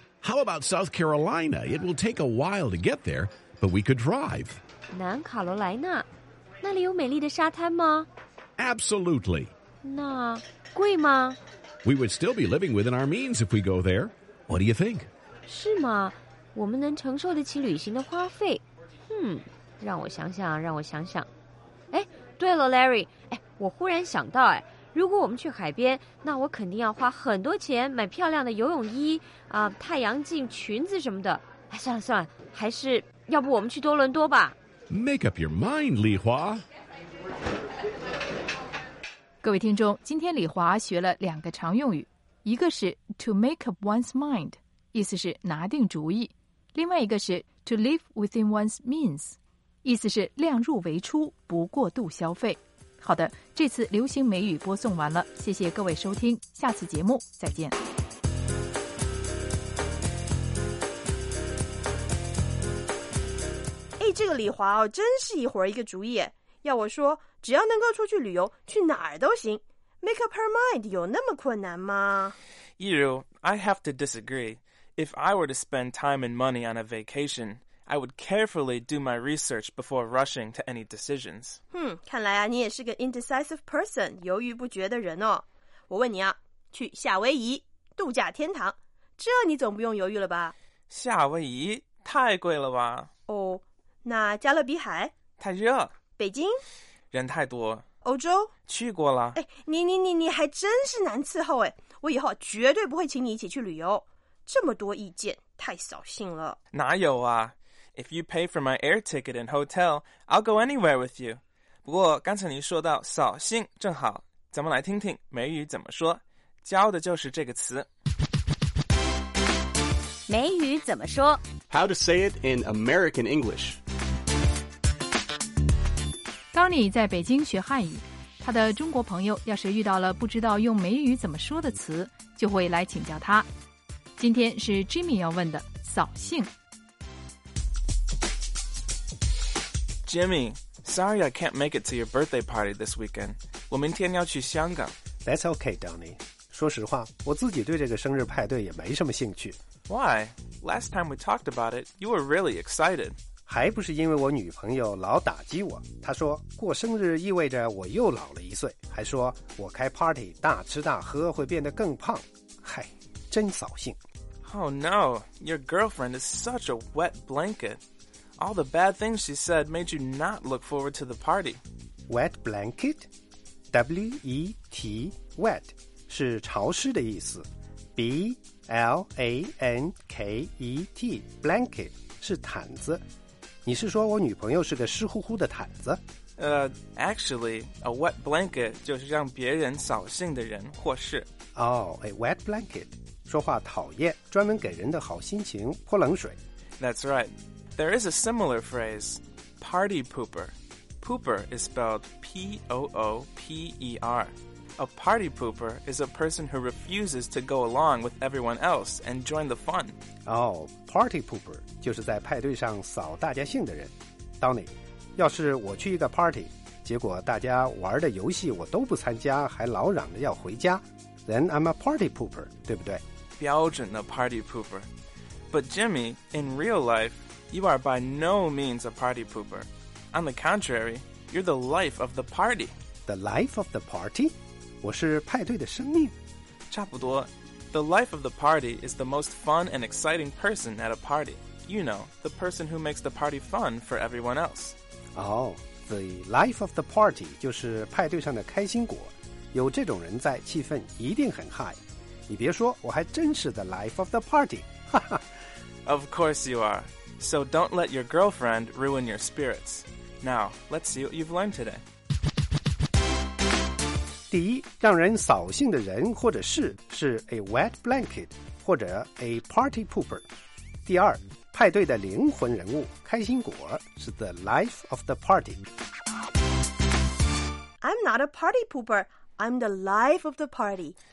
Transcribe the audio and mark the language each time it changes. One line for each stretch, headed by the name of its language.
English: How about South Carolina? It will take a while to get there, but we could drive.
Chinese: 南卡罗来纳，那里有美丽的沙滩吗？
English: Absolutely.
Chinese: 那贵吗？
English: We would still be living within our means if we go there. What do you think?
Chinese: 是吗？我们能承受得起旅行的花费？让我想想，让我想想。哎，对了 ，Larry， 哎，我忽然想到哎。如果我们去海边，那我肯定要花很多钱买漂亮的游泳衣啊、太阳镜、裙子什么的。哎，算了算了，还是要不我们去多伦多吧。
English: Make up your mind, 李华。
Chinese: 各位听众，今天李华学了两个常用语，一个是
English: to make up one's mind，
Chinese: 意思是拿定主意；另外一个是
English: to live within one's means，
Chinese: 意思是量入为出，不过度消费。好的，这次流行美语播送完了，谢谢各位收听，下次节目再见。哎，这个李华哦，真是一伙儿一个主意。要我说，只要能够出去旅游，去哪儿都行。
English: Make up her mind
Chinese: 有那么困难吗？
English: Yiru, I have to disagree. If I were to spend time and money on a vacation... I would carefully do my research before rushing to any decisions.
Chinese: 看来啊，你也是个
English: indecisive person,
Chinese: 犹豫不决的人哦。我问你啊，去夏威夷度假天堂，这你总不用犹豫了吧？夏威夷太贵了吧？哦，那加勒比海太热，北京人太多，欧洲去过了。哎，你还真是难伺候哎！我以后绝对不会请你一起去旅游，这么多意见太扫兴了。哪有啊？
English: If you pay for my air ticket and hotel, I'll go anywhere with you.
Chinese: 不过刚才你说到扫兴，正好咱们来听听美语怎么说，教的就是这个词。美语怎么说
English: ？How to say it in American English?
Chinese: Donny 在北京学汉语，他的中国朋友要是遇到了不知道用美语怎么说的词，就会来请教他。今天是 Jimmy 要问的扫兴。
English: Jimmy, sorry I can't make it to your birthday party this weekend.
Chinese: 我明天要去香港。
English: That's okay, Donnie.
Chinese: 说实话，我自己对这个生日派对也没什么兴趣。
English: Why? Last time we talked about it, you were really excited.
Chinese: 还不是因为我女朋友老打击我。她说，过生日意味着我又老了一岁，还说我开 party 大吃大喝会变得更胖。嗨，真扫兴。
English: Oh no, your girlfriend is such a wet blanket. All the bad things she said made you not look forward to the party. Wet blanket?
Chinese: W-E-T, wet, 是潮湿的意思。 B-L-A-N-K-E-T, blanket, 是毯子。你是说我女朋友是个湿乎乎的毯子？
English: Actually, a wet blanket
Chinese: 就是让别人扫兴的人或事。
English: Oh, a wet blanket,
Chinese: 说话讨厌，专门给人的好心情泼冷水。
English: That's right. There is a similar phrase, party pooper. Pooper is spelled P-O-O-P-E-R. A party pooper is a person who refuses to go along with everyone else and join the fun.
Chinese: Oh,
English: party pooper
Chinese: 就是在派对上扫大家兴的人。 Donny, 要是我去一个 party, 结果大家玩的游戏我都不参加，还老嚷着要回家。
English: Then I'm a party pooper,
Chinese: 对不对？标准的
English: party pooper. But Jimmy, in real life, you are by no means a party pooper. On the contrary, you're the life of the party. The life of the party?
Chinese: 我是派对的生命。差不多。
English: The life of the party is the most fun and exciting person at a party. You know, the person who makes the party fun for everyone else.
Chinese: Oh,
English: the life of the party
Chinese: 就是派对上的开心果。有这种人在，气氛一定很 high。你别说，我还真是
English: the life of the party。 Of course you are. So don't let your girlfriend ruin your spirits. Now, let's see what you've learned today.
Chinese: 第一，让人扫兴的人或者事是
English: a wet blanket
Chinese: 或者
English: a party pooper。
Chinese: 第二，派对的灵魂人物开心果是
English: the life of the party。 I'm not a party pooper. I'm the life of the party.